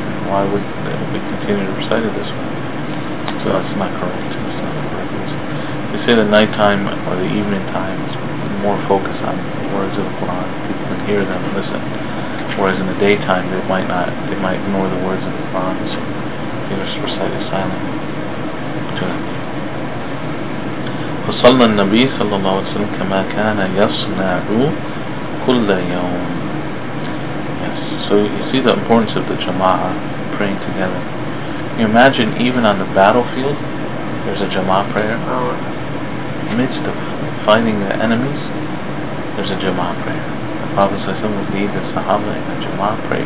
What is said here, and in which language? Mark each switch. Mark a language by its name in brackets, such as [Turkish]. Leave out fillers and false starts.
[English] Why would they continue to recite it this way? So that's not correct. That's not correct. They say the night time or the evening time is more focused on the words of the Quran. People can hear them and listen. Whereas in the daytime, they might not. They might ignore the words of the Quran, so they just recite it silently to them. [Arabic] فصلى النبي صلى الله عليه وسلم كما كان يصنع كل يوم. [English] Yes. So you see the importance of the jama'ah, praying together. Can you imagine even on the battlefield there's a jama'ah prayer? Amidst of fighting the enemies, there's a jama'ah prayer. The Prophet would lead the Sahaba in a jama'ah prayer.